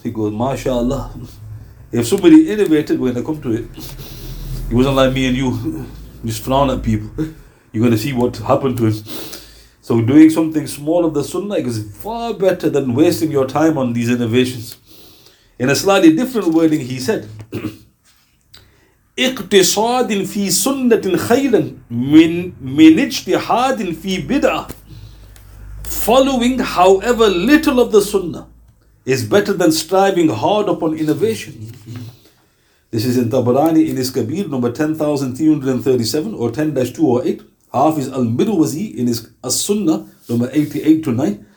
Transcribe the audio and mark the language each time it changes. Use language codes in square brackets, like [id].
[en] He goes, MashaAllah. If somebody innovated, we're going to come to it. He wasn't like me and you. Just frown at people. You're going to see what happened to him. So doing something small of the Sunnah is far better than wasting your time on these innovations. In a slightly different wording, he said, [ar] اقتصاد في سنة خيرا من اجتهاد في بدعة. [en] Following however little of the Sunnah is better than striving hard upon innovation. This is in Tabarani in his Kabir, number 10,337 or 10-208. Half is Al-Mirwazi in his As-Sunnah, number 88-9.